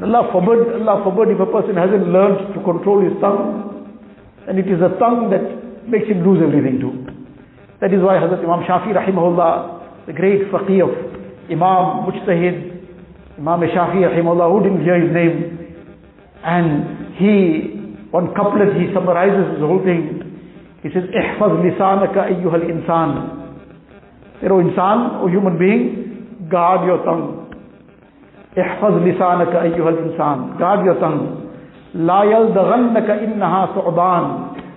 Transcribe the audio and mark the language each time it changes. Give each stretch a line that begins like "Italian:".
English: And Allah forbid if a person hasn't learned to control his tongue, then it is the tongue that makes him lose everything too. That is why Hazrat Imam Shafi rahimahullah, the great faqih of Imam Mujtahid, Imam Shafi rahimahullah, who didn't hear his name, and he, one couplet, he summarizes the whole thing. He says,
Arabic: احفظ لسانك أيها الإنسان.
English: Say, O insan, O human being, guard your tongue.
Arabic: احفظ لسانك أيها الإنسان.
English: Guard your tongue.
Arabic: لا يلدغنك إنها صعبان.